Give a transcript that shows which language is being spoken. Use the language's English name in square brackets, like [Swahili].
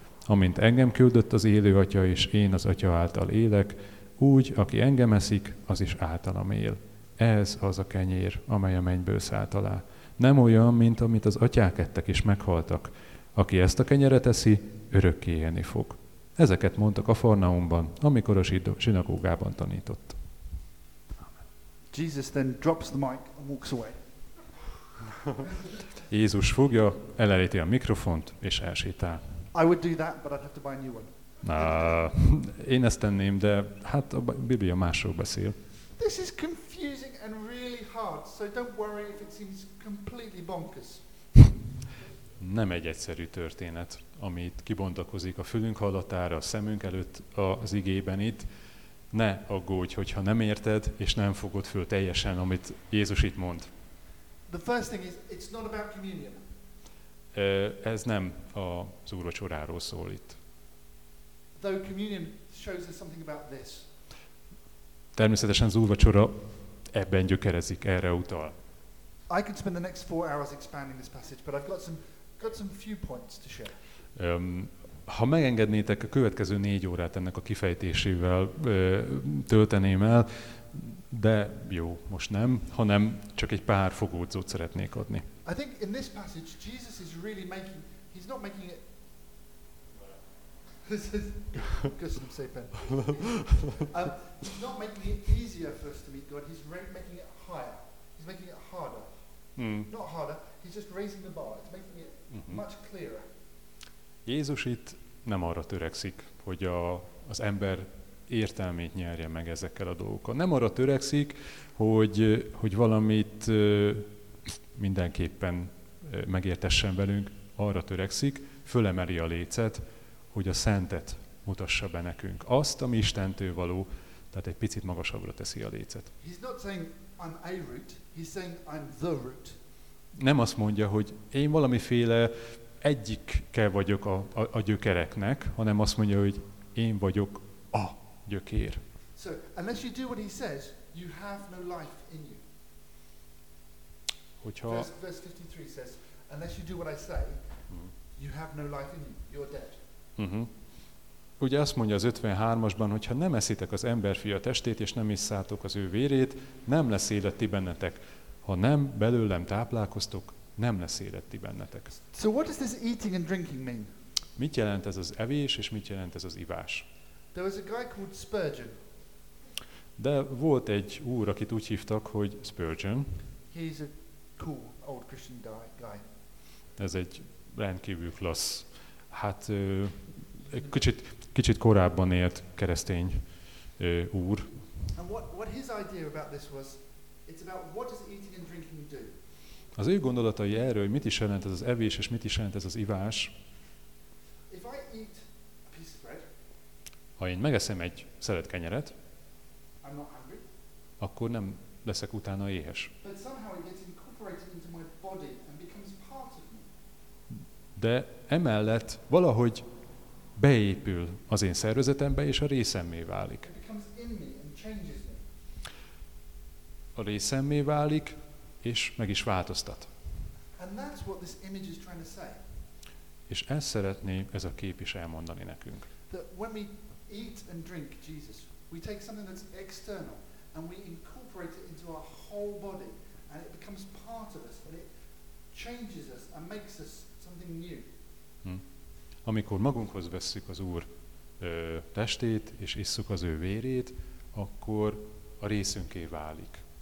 [Hungarian] Amint engem küldött az élő atya, és én az atya által élek, úgy, aki engem eszik, az is általam él. Ez az a kenyér, amely a mennyből szállt alá. Nem olyan, mint amit az atyák ettek és meghaltak. Aki ezt a kenyeret eszi, örökké élni fog. Ezeket mondta Kafarnaumban, amikor a zsinagógában tanított. [English] Jesus then drops the mic and walks away. [Hungarian] Jézus fogja, eleléti a mikrofont és elsétál. [English] I would do that, but I'd have to buy a new one. [Hungarian] Én ezt tenném, de hát a Biblia másról beszél. [English] This is confusing and really hard, so don't worry if it seems completely bonkers. [Hungarian] Nem egy egyszerű történet, amit kibontakozik a fülünk hallatára, a szemünk előtt az igében itt. Ne aggódj, hogyha nem érted, és nem fogod föl teljesen, amit Jézus itt mond. [English] The first thing is, it's not about communion. [Hungarian] Ez nem az úrvacsoráról szól itt. [English] Though communion shows us something about this. [Hungarian] Természetesen az úrvacsora ebben gyökerezik, erre utal. [English] I could spend the next 4 hours expanding this passage, but I've got some few points to share. [Hungarian] Ha megengednétek, a következő 4 órát ennek a kifejtésével tölteném el, de jó, most nem, hanem csak egy pár fogódzót szeretnék adni. [English] I think in this passage Jesus is really making, he's not making it. [Hungarian] Köszönöm szépen. [English] He's not making it easier for us to meet God, he's making it higher. He's making it harder. Not harder, he's just raising the bar, it's making it much clearer. [Hungarian] Jézus itt nem arra törekszik, hogy az ember értelmét nyerje meg ezekkel a dolgokkal. Nem arra törekszik, hogy valamit mindenképpen megértessen velünk, arra törekszik, fölemeli a lécet, hogy a Szentet mutassa be nekünk. Azt, ami Istentől való, tehát egy picit magasabbra teszi a lécet. [English] He's not saying I'm a root, he's saying I'm the root. [Hungarian] Nem azt mondja, hogy én valamiféle egyike vagyok a gyökereknek, hanem azt mondja, hogy én vagyok a gyökér. [English] So, unless you do what he says, you have no life in you. [Hungarian] Hogyha [English] verse 53 says, unless you do what I say, you have no life in you, you're dead. [Hungarian] Ugye azt mondja az 53-asban, hogyha nem eszitek az emberfia testét, és nem isszátok az ő vérét, nem lesz élet ti bennetek. Ha nem belőlem táplálkoztok, nem lesz élet ti bennetek. [English] So what does this eating and drinking mean? [Hungarian] Mit jelent ez az evés, és mit jelent ez az ivás? [English] There was a guy called Spurgeon. [Hungarian] De volt egy úr, akit úgy hívtak, hogy Spurgeon. [English] He's a cool old Christian guy. [Hungarian] Ez egy rendkívül klassz, hát kicsit korábban élt keresztény úr. [English] And what his idea about this was, it's about what does eating and drinking do? [Hungarian] Az ő gondolatai erről, hogy mit is jelent ez az evés, és mit is jelent ez az ivás. [English] If I eat a piece of bread, [Hungarian] ha én megeszem egy szelet kenyeret, [English] I'm not hungry, [Hungarian] akkor nem leszek utána éhes. [English] But somehow it gets incorporated into my body and becomes part of me. [Hungarian] De emellett valahogy beépül az én szervezetembe, és a részemmé válik. [English] It becomes in me and changes me. [Hungarian] A részemmé válik, és meg is változtat. [English] And that's what this image is trying to say. [Hungarian] És ezt szeretné ez a kép is elmondani nekünk. [English] That when we eat and drink Jesus, we take something that's external and we incorporate it into our whole body and it becomes part of us and it changes us and makes us something new. [Hungarian] Amikor magunkhoz vesszük az Úr testét és isszuk az ő vérét, akkor a részünké válik.